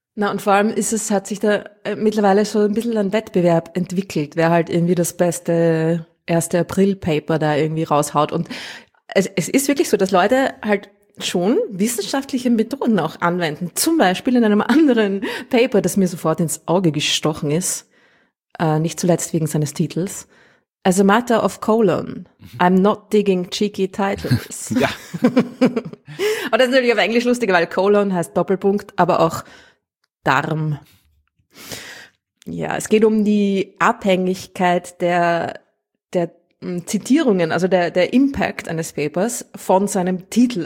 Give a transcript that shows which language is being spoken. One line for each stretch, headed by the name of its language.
German: Na und vor allem hat sich da mittlerweile so ein bisschen ein Wettbewerb entwickelt, wer halt irgendwie das beste 1. April-Paper da irgendwie raushaut. Und es ist wirklich so, dass Leute halt schon wissenschaftliche Methoden auch anwenden. Zum Beispiel in einem anderen Paper, das mir sofort ins Auge gestochen ist. Nicht zuletzt wegen seines Titels.
English: As a matter of colon, I'm not digging cheeky titles.
German: Ja. Und das ist natürlich auf Englisch lustig, weil colon heißt Doppelpunkt, aber auch Darm. Ja, es geht um die Abhängigkeit der Zitierungen, also der Impact eines Papers von seinem Titel.